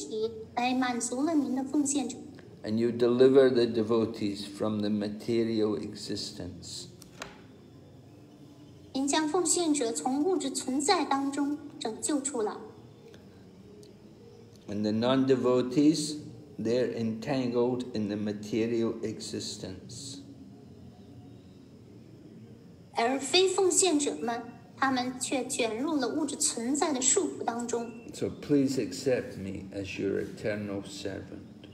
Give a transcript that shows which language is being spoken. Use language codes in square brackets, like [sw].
[zh] 你通过把自己展示为各式各样的形体来满足了您的奉献者。 [en] And you deliver the devotees from the material existence. [zh] 您将奉献者从物质存在当中拯救出了。 [en] And the non-devotees, they're entangled in the material existence. [zh] 而非奉献者们，他们却卷入了物质存在的束缚当中。 [en] So please accept me as your eternal servant.